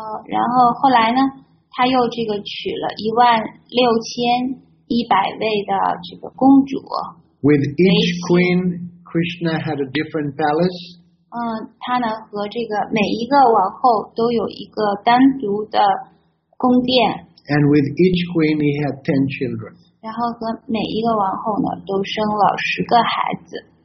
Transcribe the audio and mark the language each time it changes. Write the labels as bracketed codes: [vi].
[zh] 然后后来呢，他又这个娶了16,100位的这个公主。 [en] With each queen, Krishna had a different palace. [zh] 他呢和这个每一个王后都有一个单独的宫殿。 [en] And with each queen, he had 10 children. [zh] 然后和每一个王后呢都生了十个孩子。